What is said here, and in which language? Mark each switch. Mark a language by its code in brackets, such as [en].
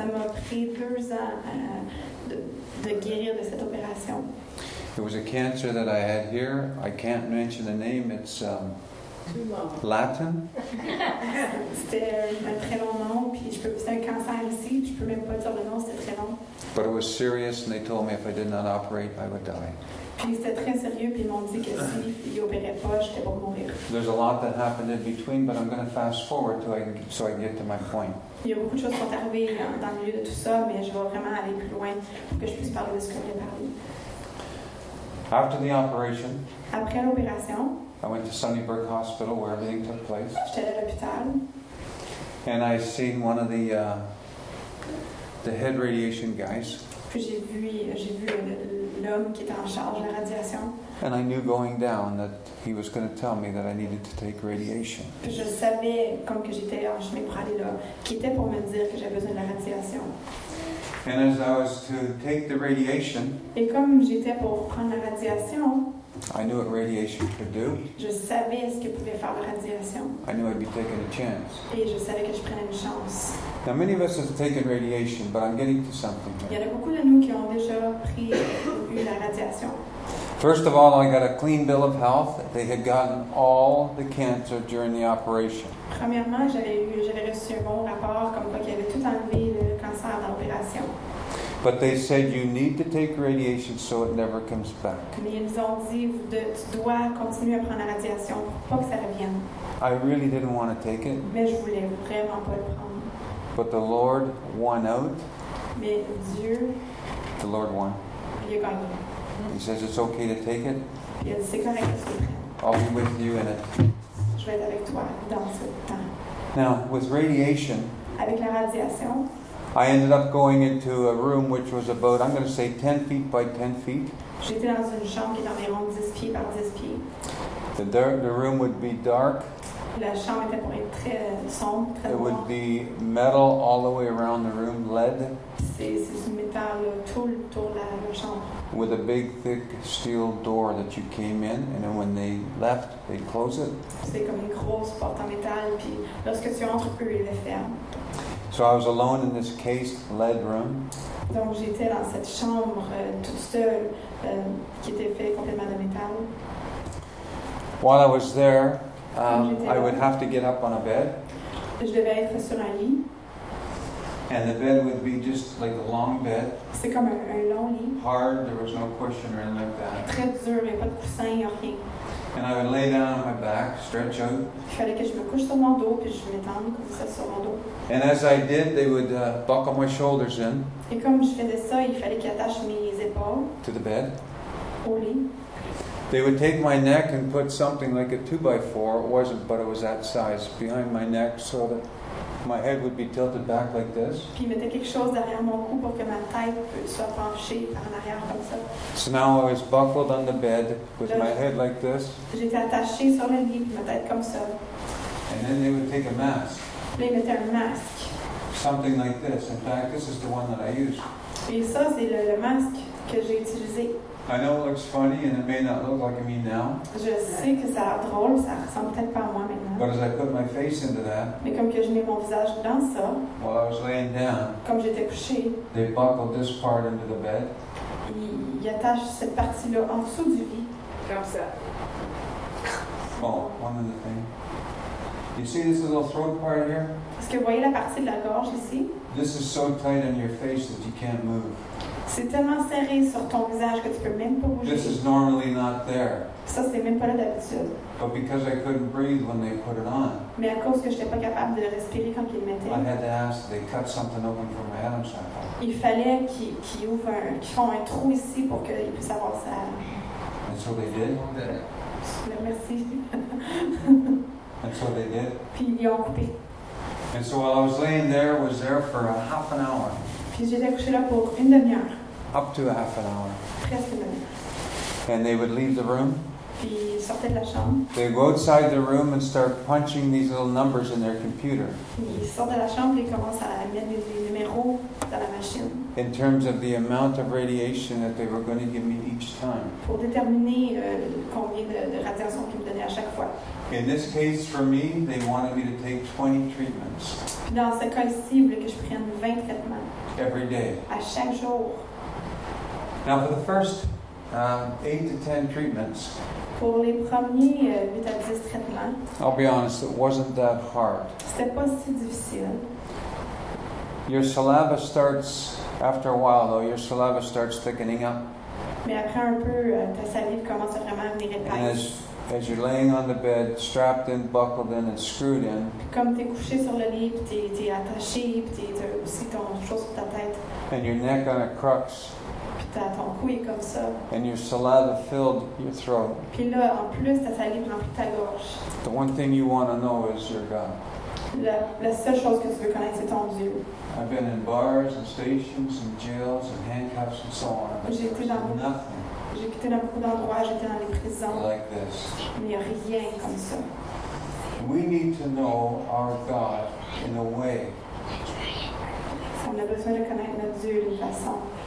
[fr] Ça m'a pris 2 ans de guérir de cette opération. [en] It was a cancer that I had here. I can't mention the name. It's Latin. [fr] C'était un très long nom. Puis c'est un cancer ici. Je peux même pas dire le nom. C'était très long. [en] But it was serious, and they told me if I did not operate, I would die. [fr] Puis c'était très sérieux, puis ils m'ont dit que si ils opéraient pas, j'étais pour mourir. [en] There's a lot that happened in between, but I'm going to fast forward so I can get to my point. [fr] Il y a beaucoup de choses qui sont arrivées dans le milieu de tout ça, mais je vais vraiment aller plus loin pour que je puisse parler de ce que j'ai parlé. [en] After the operation. [fr] Après l'opération. [en] I went to Sunnybrook Hospital where everything took place. [fr] J'étais à l'hôpital. [en] And I seen one of the head radiation guys. [fr] Puis j'ai vu l'homme qui était en charge de la radiation. [en] And I knew going down that he was going to tell me that I needed to take radiation. [fr] Puis je savais comme que j'étais en chemin pour aller là, qui était pour me dire que j'avais besoin de la radiation. [en] And as I was to take the radiation. [fr] Et comme j'étais pour prendre la radiation. [en] I knew what radiation could do. [fr] Je savais ce que pouvait faire la radiation. [en] I knew I'd be taking a chance. [fr] Et je savais que je prenais une chance. [en] Now many of us have taken radiation, but I'm getting to something. [fr] Il y en a beaucoup de nous qui ont déjà pris eu la radiation. [en] First of all, I got a clean bill of health. They had gotten all the cancer during the operation. [fr] Premièrement, j'avais reçu un bon rapport comme quoi qu'il avait tout enlevé le cancer dans l'opération. [en] But they said you need to take radiation so it never comes back. [fr] Mais ils ont dit tu dois continuer à prendre la radiation pour pas que ça revienne. [en] I really didn't want to take it. [fr] Mais je voulais vraiment pas le prendre. [en] But the Lord won out. [fr] Mais Dieu. [en] The Lord won. [fr] Il a gagné. [en] He says it's okay to take it. [fr] Yes, c'est correct aussi. [en] I'll be with you in it. [fr] Je vais être avec toi dans ce temps. [en] Now, with radiation. [fr] Avec la radiation. [en] I ended up going into a room which was about, I'm going to say, 10 feet by 10 feet. [fr] J'étais dans une chambre qui était environ 10 pieds par 10 pieds. [en] The room would be dark. [fr] La chambre était pour être très sombre, très noire. [en] It would be metal all the way around the room, lead. [fr] C'est du métal tout la chambre. [en] With a big, thick steel door that you came in, and then when they left, they'd close it. [fr] C'est comme une grosse porte en métal, puis lorsque tu entres, plus ils le ferment. [en] So I was alone in this cased lead room. [fr] Donc j'étais dans cette chambre toute seule qui était faite complètement de métal. [en] While I was there, I would have to get up on a bed. [fr] Je devais être sur un lit. [en] And the bed would be just like a long bed. [fr] C'est comme un long lit. [en] Hard, there was no cushion or anything like that. [fr] Très dur, il n'y a pas de coussin, il n'y a rien. [en] And I would lay down on my back, stretch out. [fr] Il fallait que je me couche sur mon dos, puis je m'étende comme ça sur mon dos. [en] And as I did, they would buckle my shoulders in. [fr] Et comme je faisais ça, il fallait qu'ils attachent mes épaules. [en] To the bed. [fr] Au lit. [en] They would take my neck and put something like a 2x4. It wasn't, but it was that size behind my neck, so that my head would be tilted back like this. [fr] Puis ils mettaient quelque chose derrière mon cou pour que ma tête soit penchée en arrière comme ça. [en] So now I was buckled on the bed with my head like this. [fr] J'étais attaché sur le lit, ma tête comme ça. [en] And then they would take a mask. [fr] Puis ils mettaient un masque. [en] Something like this. In fact, this is the one that I use. [fr] Puis ça, c'est le masque que j'ai utilisé. [en] I know it looks funny and it may not look like me now. [fr] Je sais que ça a drôle, ça ressemble peut-être pas à moi maintenant. [en] But as I put my face into that, [fr] mais comme que je mets mon visage dans ça, [en] while I was laying down, [fr] comme j'étais couché, [en] they buckled this part into the bed. [fr] Ils attachent cette partie-là en dessous du lit. Comme ça. [en] Oh, one other thing. You see this little throat part here? [fr] Est-ce que vous voyez la partie de la gorge ici? [en] This is so tight on your face that you can't move. [fr] C'est tellement serré sur ton visage que tu peux même pas bouger. [en] This is normally not there. [fr] Ça, c'est même pas là d'habitude. [en] But because I couldn't breathe when they put it on. [fr] Mais à cause que j'étais pas capable de respirer quand ils mettaient. [en] I had to ask they cut something open for my Adam's apple. [fr] Il fallait qu'ils ouvrent, qu'ils font un trou ici pour qu'ils puissent avoir ça. [en] And so they did. [fr] Merci. [en] And so they did. [fr] Puis ils ont coupé. [en] And so while I was laying there, was there for a half an hour. [fr] Puis j'étais couché là pour une demi-heure. [en] Up to a half an hour. [fr] Presque une demi-heure. [en] And they would leave the room. [fr] Puis ils sortaient de la chambre. [en] They go outside the room and start punching these little numbers in their computer. [fr] Ils sortent de la chambre et commencent à mettre des numéros dans la machine. [en] In terms of the amount of radiation that they were going to give me each time. [fr] Pour déterminer combien de radiation qu'ils me donnaient à chaque fois. [en] In this case, for me, they wanted me to take 20 treatments. [fr] Puis dans ce cas ici, ils voulaient que je prenne 20 traitements. [en] Every day. [fr] À chaque jour. [en] Now for the first 8 to 10 treatments. [fr] Pour les premiers 8 à 10 traitements. [en] I'll be honest, it wasn't that hard. [fr] C'était pas si difficile. [en] Your saliva starts, after a while though, your saliva starts thickening up. [fr] Mais après un peu, ta salive commence vraiment à venir épaisse. [en] And as you're laying on the bed, strapped in, buckled in, and screwed in. [fr] Comme t'es couché sur le lit, puis t'es attaché, puis t'as aussi ton chose sur ta tête. [en] And your neck on a crux. [fr] Puis t'as ton cou est comme ça. [en] And your saliva filled your throat. [fr] Puis là, en plus, ta salive remplit ta gorge. [en] The one thing you want to know is your God. [fr] La seule chose que tu veux connaître, c'est ton Dieu. [en] I've been in bars and stations and jails and handcuffs and so on. [fr] J'ai quitté dans beaucoup d'endroits, j'étais dans les prisons. [en] Like this. [fr] Il n'y a rien comme ça. [en] We need to know our God in a way. [fr] On a besoin de connaître notre Dieu d'une façon.